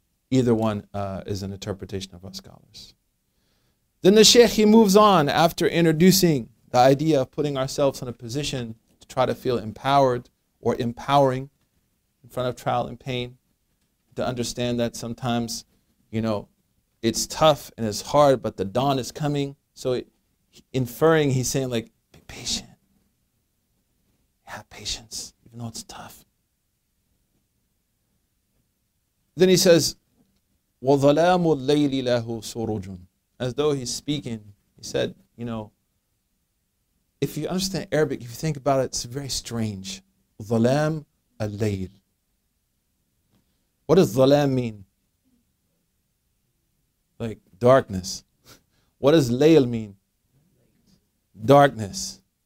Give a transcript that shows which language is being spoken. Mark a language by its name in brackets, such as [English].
[English] Either one is an interpretation of us scholars. Then the Sheikh, he moves on after introducing the idea of putting ourselves in a position to try to feel empowered or empowering in front of trial and pain, to understand that sometimes, you know, it's tough and it's hard, but the dawn is coming. So inferring, he's saying, like, be patient. Have patience, even though it's tough. Then he says, [Arabic] وَظَلَامُ اللَّيْلِ لَهُ سُرُجٌ. [English] As though he's speaking, he said, you know, if you understand Arabic, if you think about it, it's very strange. [Arabic] ظَلَامُ اللَّيْلِ. [English] What does ظَلَام mean? Like darkness. What does layl mean? Darkness.